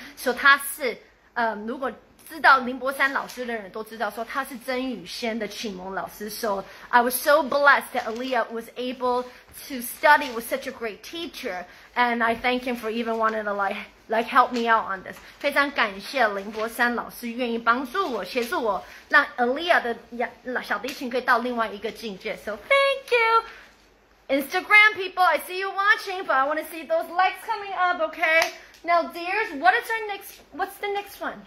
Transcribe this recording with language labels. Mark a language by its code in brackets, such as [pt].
[zh] So 他是, 如果知道林伯山老师的人都知道说他是曾宇轩的启蒙老师. [en] So I was so blessed that Aaliyah was able to study with such a great teacher, and I thank him for even wanting to like help me out on this. [zh] 非常感谢林伯山老师愿意帮助我协助我, 让Aaliyah的小提琴可以到另外一个境界. [en] So thank you, Instagram people, I see you watching, but I want to see those likes coming up, okay? Now dears, what is our next, what's the next one?